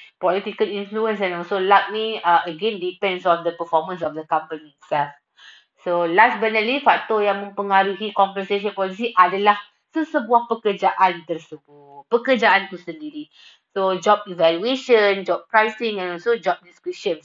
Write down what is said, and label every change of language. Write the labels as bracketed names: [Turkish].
[English] Political influence and also luck ni, again, depends on the performance of the company itself. So, last but not least, [Malay] faktor yang mempengaruhi compensation policy adalah sesebuah pekerjaan tersebut, pekerjaan tu sendiri. [English] So, job evaluation, job pricing and also job description.